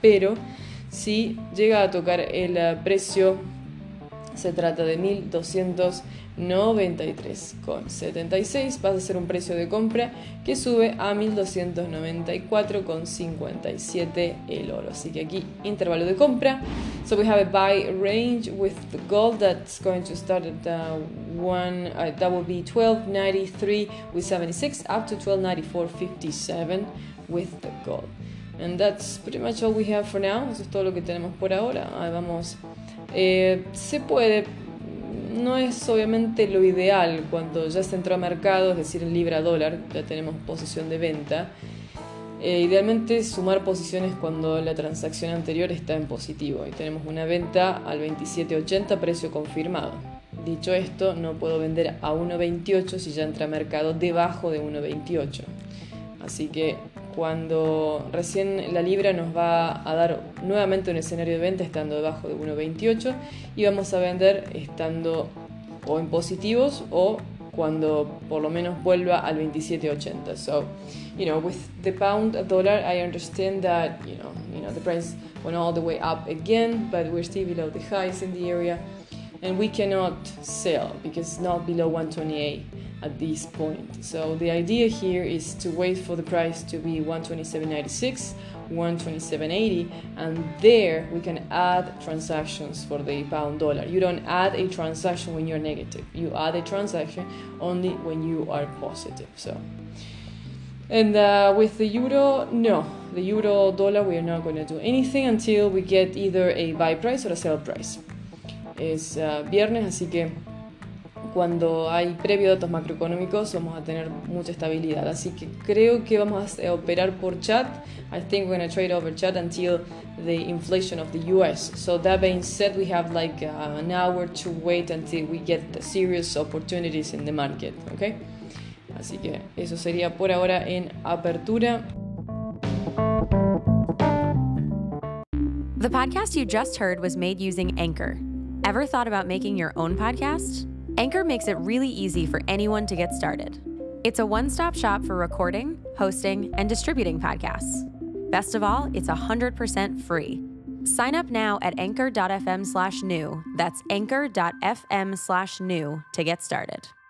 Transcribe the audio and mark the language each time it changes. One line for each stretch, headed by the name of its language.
Spanish: Pero si llega a tocar el precio, se trata de 1293.76. Pasa a ser un precio de compra que sube a 1294.57 el oro. Así que aquí, intervalo de compra.
English: So we have a buy range with the gold that's going to start at that will be 1293.76 up to 1294.57 with the gold. And that's pretty much all we have for now.
Spanish: Eso es todo lo que tenemos por ahora. Ahí vamos. Se puede, no es obviamente lo ideal cuando ya se entró a mercado, es decir, en libra dólar, ya tenemos posición de venta. Idealmente sumar posiciones cuando la transacción anterior está en positivo y tenemos una venta al 27.80, precio confirmado. Dicho esto, no puedo vender a 1.28 si ya entra a mercado debajo de 1.28. Así que cuando recién la libra nos va a dar nuevamente un escenario de venta estando debajo de 1.28 y vamos a vender estando o en positivos o cuando por lo menos vuelva al 27.80.
English: So, you know, with the pound a dollar, I understand that, you know, the price went all the way up again, but we're still below the highs in the area and we cannot sell because it's not below 1.28. At this point. So the idea here is to wait for the price to be 127.96, 127.80, and there we can add transactions for the pound dollar. You don't add a transaction when you're negative. You add a transaction only when you are positive. So, and with the euro, no. The euro dollar, we are not going to do anything until we get either a buy price or a sell price.
Spanish: Es viernes, así que cuando hay previo datos macroeconómicos vamos a tener mucha estabilidad, así que creo que vamos a operar por chat.
English: I think we're going to trade over chat until the inflation of the US. So that being said, we have like an hour to wait until we get the serious opportunities in the market, okay?
Spanish: Así que eso sería por ahora en apertura.
English: The podcast you just heard was made using Anchor. Ever thought about making your own podcast? Anchor makes it really easy for anyone to get started. It's a one-stop shop for recording, hosting, and distributing podcasts. Best of all, it's 100% free. Sign up now at anchor.fm/new. That's anchor.fm/new to get started.